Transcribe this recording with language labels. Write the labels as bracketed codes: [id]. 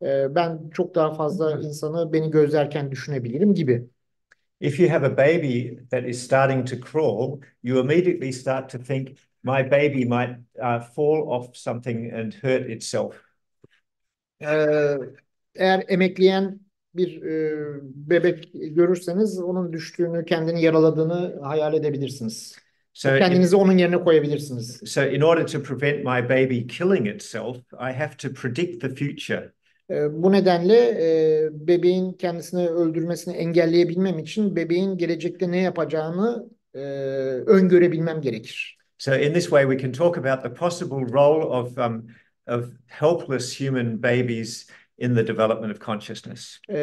[tr] Ben çok daha fazla insanı beni gözlerken düşünebilirim gibi. [en] If you have a baby that is starting to crawl, you immediately start to think, my baby might fall off something and hurt itself. [tr] Eğer emekleyen bir bebek görürseniz onun düştüğünü, kendini yaraladığını hayal edebilirsiniz. [en] So [tr] kendinizi onun yerine koyabilirsiniz. [en] So in order to prevent my baby killing itself, I have to predict the future. [tr] Bu nedenle bebeğin kendisini öldürmesini engelleyebilmem için bebeğin gelecekte ne yapacağını öngörebilmem gerekir. [en] So in this way, we can talk about the possible role of helpless human babies in the development of consciousness.